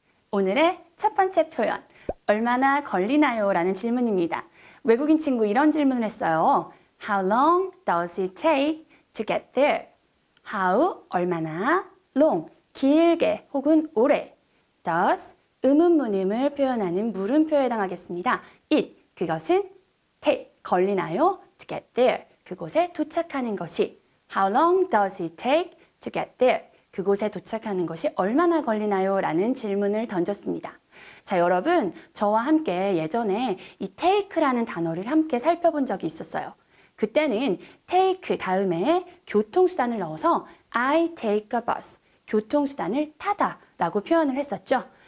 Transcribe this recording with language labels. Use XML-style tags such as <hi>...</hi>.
<ko>오늘의 첫 번째 표현, 얼마나 걸리나요? 라는 질문입니다. 외국인 친구 이런 질문을 했어요.</ko> <en>How long does it take to get there?</en> <ko>How, 얼마나, long, 길게 혹은 오래. Does, 음음문음을 표현하는 물음표에 해당하겠습니다. It, 그것은 take, 걸리나요?</ko> <en>To get there,</en> <ko>그곳에 도착하는 것이.</ko> <en>How long does it take to get there?</en> <ko>그곳에 도착하는 것이 얼마나 걸리나요? 라는 질문을 던졌습니다. 자, 여러분, 저와 함께 예전에 이 take라는 단어를 함께 살펴본 적이 있었어요. 그때는 take 다음에 교통수단을 넣어서</ko> <en>I take a bus,</en> <ko>교통수단을 타다 라고 표현을 했었죠.</ko>